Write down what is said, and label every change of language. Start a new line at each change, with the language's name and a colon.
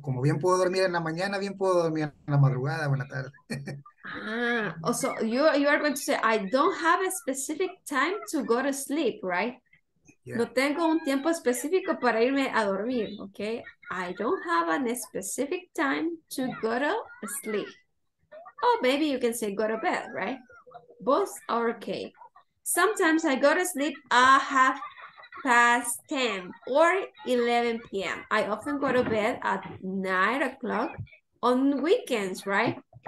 Spanish: Como bien puedo dormir en la mañana, bien puedo dormir en la madrugada o en la tarde.
English: Ah, also, you are going to say, I don't have a specific time to go to sleep, right? Yeah.
Spanish: No tengo un tiempo específico para irme a dormir, okay?
English: I don't have a specific time to go to sleep. Oh, maybe you can say go to bed, right? Both are okay. Sometimes I go to sleep at 10:30 or 11 p.m. I often go to bed at 9 o'clock on weekends, right?